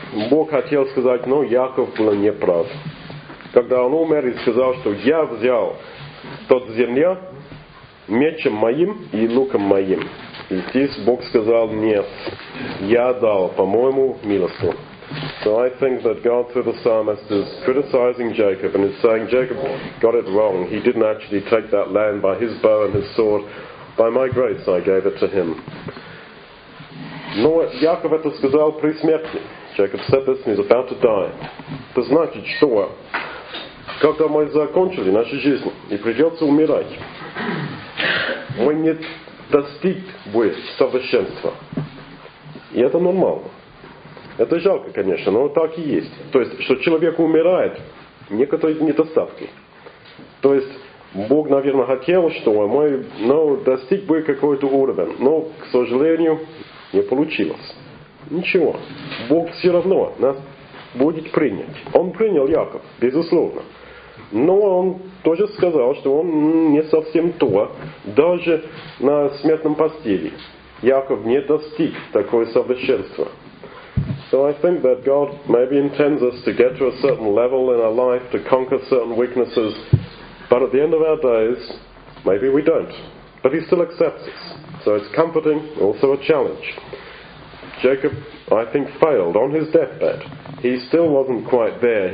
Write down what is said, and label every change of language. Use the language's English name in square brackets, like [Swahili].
[Russian] Бог хотел сказать, но Яков был неправ. Когда он умер и сказал, что я взял тот земля мечем моим и луком моим. И здесь Бог сказал, нет, я дал, по-моему, милостыню. [English] So I think that God through the psalmist is criticizing Jacob and is saying, Jacob got it wrong. He didn't actually take that land by his bow and his sword. By my grace I gave it to him. [Russian] Но Яков это сказал при смерти. [English] Jacob said this and he's about to die. [Russian] Это значит, что когда мы закончили нашу жизнь и придется умирать, мы не достигли совершенства. И это нормально. Это жалко, конечно, но так и есть. То есть, что человек умирает, некоторые недостатки. То есть, Бог, наверное, хотел, что мы достигли какой-то уровень. Но, к сожалению, не получилось. Ничего. Бог все равно нас будет принять. Он принял Яков, безусловно. Но он тоже сказал, что он не совсем то, даже на смертном постели. Яков не достиг такого совершенства. [English] So I think that God maybe intends us to get to a certain level in our life, to conquer certain weaknesses, but at the end of our days, maybe we don't. But he still accepts us. So it's comforting, also a challenge. Jacob, I think, failed on his deathbed. He still wasn't quite there.